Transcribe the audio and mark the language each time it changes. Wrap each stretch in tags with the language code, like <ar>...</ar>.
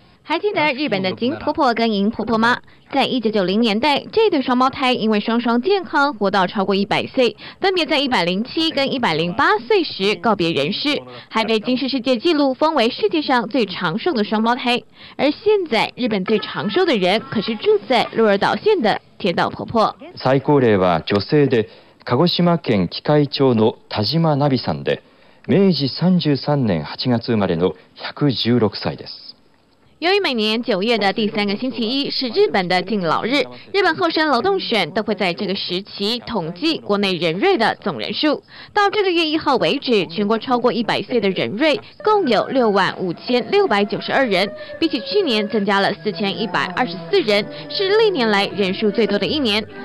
<zh>还记得日本的金婆婆跟银婆婆吗？在1990年代，这对双胞胎因为双双健康活到超过100岁，分别在107跟108岁时告别人世，还被金氏世界纪录封为世界上最长寿的双胞胎。而现在日本最长寿的人可是住在鹿儿岛县的天道婆婆。</zh> <ja>最高齢は女性で鹿児島県喜界町の田島奈美さんで明治33年8月生まれの116歳です。</ja> <zh>由于每年九月的第三个星期一是日本的敬老日，日本厚生劳动省都会在这个时期统计国内人瑞的总人数。到这个月一号为止，全国超过100岁的人瑞共有65692人，比起去年增加了4124人，是历年来人数最多的一年。</zh>